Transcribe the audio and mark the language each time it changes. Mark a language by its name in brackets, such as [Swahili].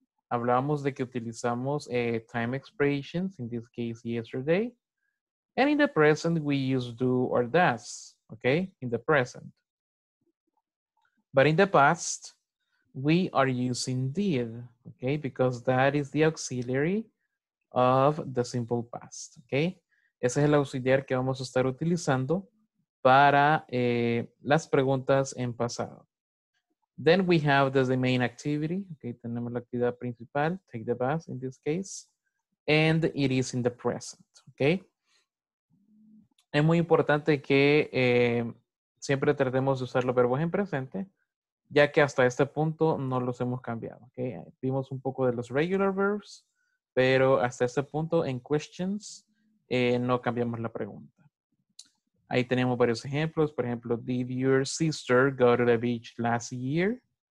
[Spanish] Hablábamos de que utilizamos [English] time expressions, in this case, yesterday. And in the present, we use do or does. Okay, in the present. But in the past, we are using did. Okay, because that is the auxiliary of the simple past. [Spanish] Okay, ese es el auxiliar que vamos a estar utilizando para las preguntas en pasado. [English] Then we have the main activity. Okay, [Spanish] tenemos la actividad principal, [English] take the bus in this case. And it is in the present. Okay. [Spanish] Es muy importante que siempre tratemos de usar los verbos en presente, ya que hasta este punto no los hemos cambiado. ¿Okay? Vimos un poco de los [English] regular verbs, [Spanish] pero hasta este punto en questions no cambiamos la pregunta. Ahí tenemos varios ejemplos. Por ejemplo, [English] did your sister go to the beach last year?